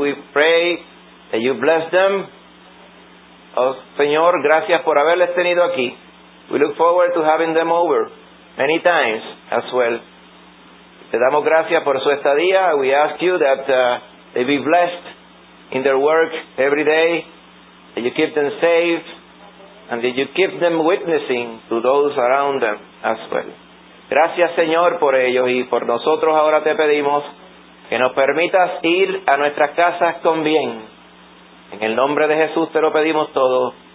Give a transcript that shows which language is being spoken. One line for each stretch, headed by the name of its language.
English: We pray that you bless them.
Spanish: Oh, Señor, gracias por haberles tenido aquí.
English: We look forward to having them over many times as well.
Spanish: Te damos gracias por su estadía.
English: We ask you that they be blessed in their work every day, that you keep them safe, and that you keep them witnessing to those around them as well.
Spanish: Gracias, Señor, por ellos y por nosotros. Ahora te pedimos que nos permitas ir a nuestras casas con bien. En el nombre de Jesús te lo pedimos todo.